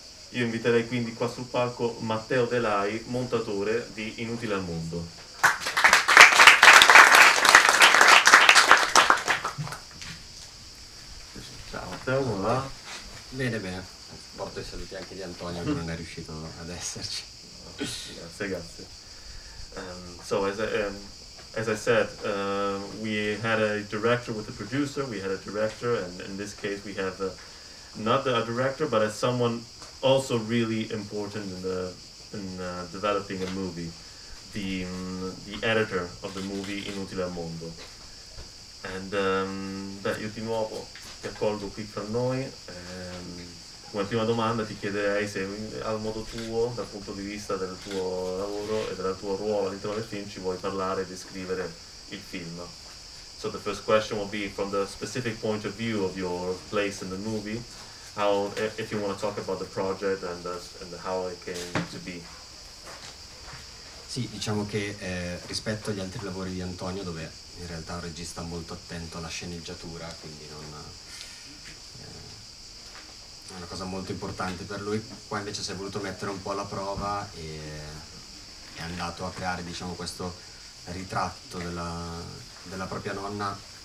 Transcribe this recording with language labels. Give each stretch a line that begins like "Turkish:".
Italian: Io inviterei quindi qua sul palco Matteo Delai, montatore di Inutile al Mondo. Ciao Matteo, come va? Bene, bene. Porto i saluti anche di Antonio che non è riuscito ad esserci. Grazie, grazie.
English: So, as I said, we had a director with a producer, we had a director, and in this case we have not a director, but as someone also really important in developing a movie, the editor of the movie Inutile al Mondo.
Italian: Io di nuovo ti accolgo qui fra noi. Come prima domanda ti chiederei se al modo tuo, dal punto di vista del tuo lavoro e del tuo ruolo all'interno del film, ci vuoi parlare e descrivere il film.
English: So the first question will be from the specific point of view of your place in the movie, how, if you want to talk about the project and how it came to be.
Italian: Sì, diciamo che rispetto agli altri lavori di Antonio, dove in realtà un regista molto attento alla sceneggiatura, quindi non... è una cosa molto importante per lui. Qua invece si è voluto mettere un po' alla prova e è andato a creare, diciamo, questo ritratto della propria nonna,